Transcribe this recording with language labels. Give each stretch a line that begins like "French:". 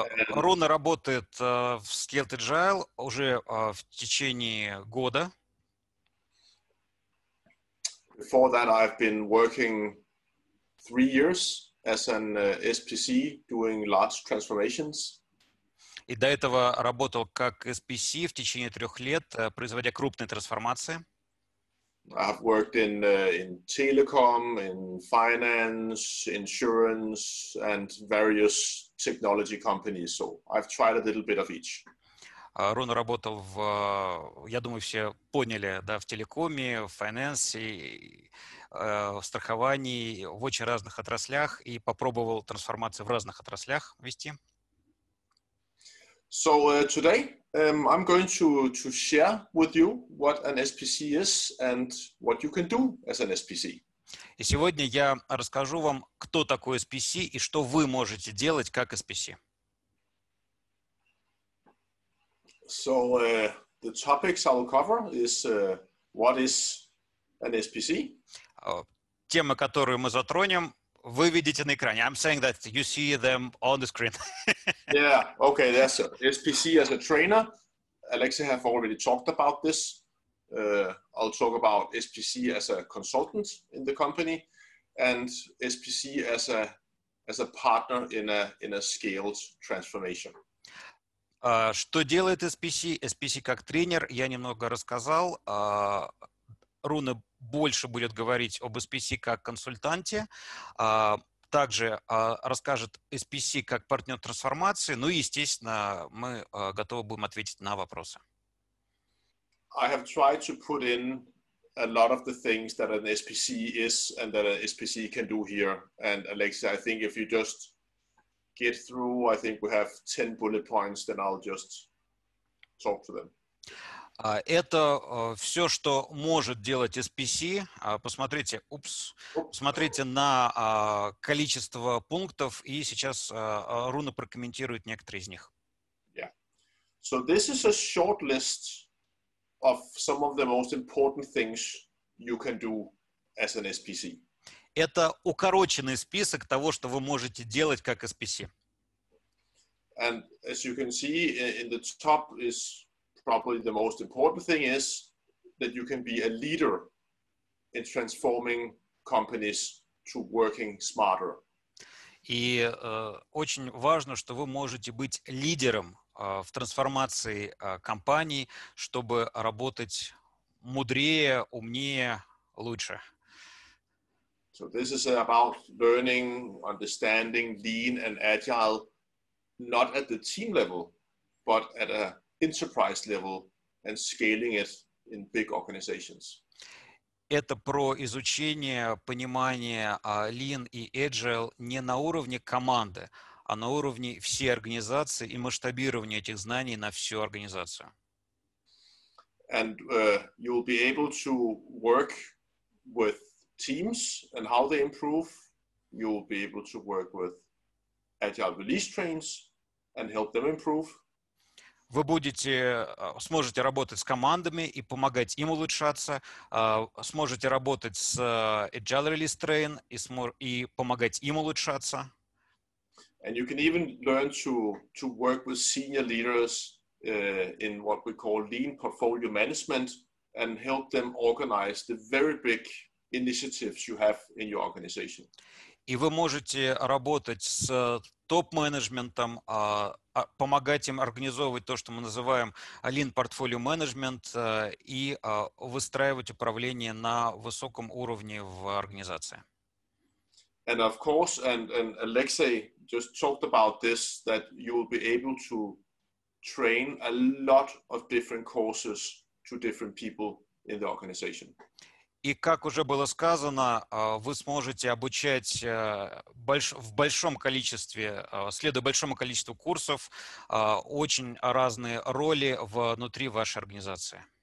Russian: Руна работает в Skelet Agile уже в течение года.
English: Before that, I've been working 3 years as an SPC doing large transformations.
Russian: И до этого работал как SPC в течение 3 лет, производя крупные трансформации.
English: I've worked in telecom, in finance, insurance, and various technology companies. So I've tried a little bit of each.
Russian: Руна работал в, я думаю, все поняли, да, в телекоме, в финансе, в страховании, в очень разных отраслях и попробовал трансформацию в разных отраслях вести.
English: So today I'm going to share with you what an SPC is and what you can do as an SPC.
Russian: И сегодня я расскажу вам, кто такой SPC и что вы можете делать как SPC.
English: So the topics I'll cover is what is an SPC.
Russian: Тема, которую мы затронем, вы видите на экране.
English: I'm saying that you see them on the screen. Yeah, okay, that's SPC as a trainer. Alexei have already talked about this. I'll talk about SPC as a consultant in the company and SPC as a partner in a scaled transformation.
Russian: Что делает SPC? SPC как тренер, я немного рассказал. Руна больше будет говорить об SPC как консультанте. Также расскажет SPC как партнер трансформации. Ну и, естественно, мы готовы будем ответить на вопросы.
English: I have tried to put in a lot of the things that an SPC is and that an SPC can do here. And Alexei, I think if you just get through, I think we have 10 bullet points, then I'll just talk to them.
Russian: Это все, что может делать SPC. Посмотрите, посмотрите на количество пунктов, и сейчас Руна прокомментирует некоторые из них.
English: Yeah. So this is a short list of some of the most important things you can do as an SPC.
Russian: Это укороченный список того, что вы можете делать как SPC.
English: And as you can see, in the top is probably the most important thing is that you can be a leader in transforming companies to working smarter.
Russian: И очень важно, что вы можете быть лидером в трансформации компаний, чтобы работать мудрее, умнее, лучше.
English: So this is about learning, understanding lean and agile, not at the team level, but at a enterprise level and scaling it in big organizations.
Russian: Это про изучение, понимание lean и agile не на уровне команды, а на уровне всей организации и масштабирование этих знаний на всю организацию.
English: And you'll be able to work with teams and how they improve. You'll be able to work with agile release trains and help them improve.
Russian: Вы будете, сможете работать с командами и помогать им улучшаться, сможете работать с Agile Release Train и помогать им улучшаться.
English: And you can even learn to work with senior leaders in what we call lean portfolio management and help them organize the very big initiatives you have in your organization.
Russian: И вы можете работать с топ-менеджментом, помогать им организовывать то, что мы называем Lean Portfolio Management, и выстраивать управление на высоком уровне в организации.
English: And of course, and Alexei just talked about this, that you will be able to train a lot of different courses to different people in the organization.
Russian: И как уже было сказано, вы сможете обучать в большом количестве, следуя большому количеству курсов, очень разные роли внутри вашей организации.